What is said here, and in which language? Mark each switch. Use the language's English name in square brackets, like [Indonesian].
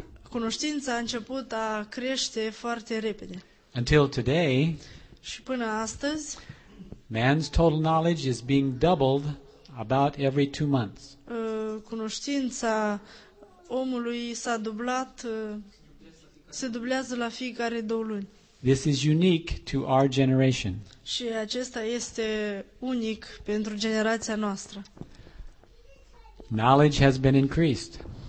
[Romanian] Cunoștința a început a crește foarte repede. [English] Until today, [Romanian] și până astăzi, [English] man's total knowledge is being doubled about every 2 months. [Romanian] Cunoștința omului s-a dublat, se dublează la fiecare 2 luni. [English] This is unique to our generation. [Romanian] Și acesta este unic pentru generația noastră. [English] Knowledge has been increased.